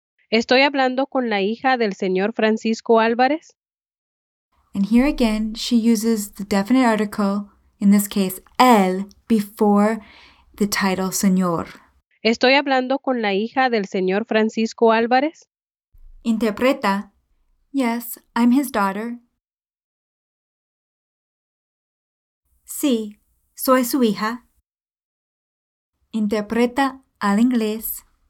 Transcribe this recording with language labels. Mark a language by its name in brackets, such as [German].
[Spanish] Estoy hablando con la hija del señor Francisco Álvarez. [English] And here again, she uses the definite article, in this case, el, before the title señor. [Spanish] Estoy hablando con la hija del señor Francisco Álvarez. Interpreta. [English] Yes, I'm his daughter. [Spanish] Sí, soy su hija. Interpreta al inglés.